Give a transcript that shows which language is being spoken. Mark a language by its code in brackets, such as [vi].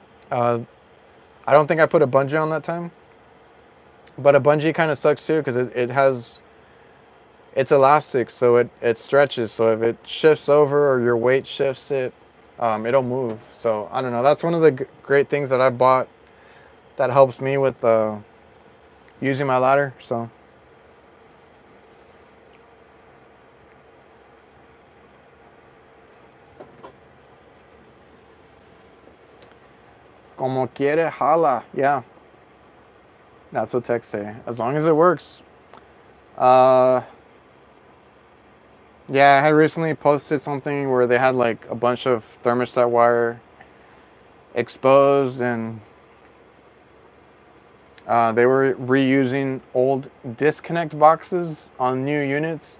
[en] I don't think I put a bungee on that time, but a bungee kind of sucks too, because it's elastic, so it stretches. So if it shifts over or your weight shifts it, it'll move. So I don't know. That's one of the great things that I bought that helps me with using my ladder. [es] So como quiere jala, yeah. [en] That's what techs say. As long as it works. Yeah, I had recently posted something where they had like a bunch of thermostat wire exposed, and they were reusing old disconnect boxes on new units.